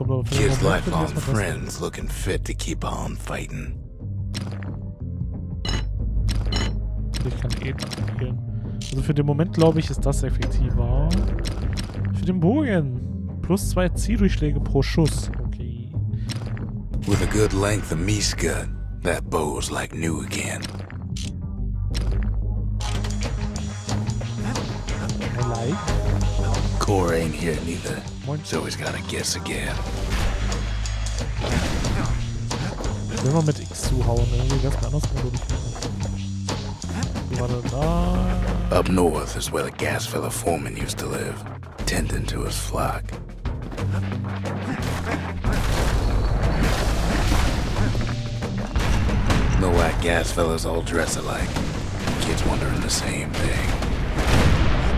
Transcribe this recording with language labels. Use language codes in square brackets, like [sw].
[en] His lifelong friends looking fit to keep on fighting. [de] Ich kann eh nicht. Also für den Moment glaube ich, ist das effektiver. Für den Bogen plus 2 Zieldurchschläge pro Schuss. Okay. [en] With a good length of Miska, that bow's like new again. I like. Core ain't here neither. So he's got to guess again. [de] Wenn man mit X zuhauen, dann geht das anders. Warte, da. [en] Up north is where the gas fella foreman used to live, tending to his flock. No white gas fellas all dress alike. Kids wondering the same thing.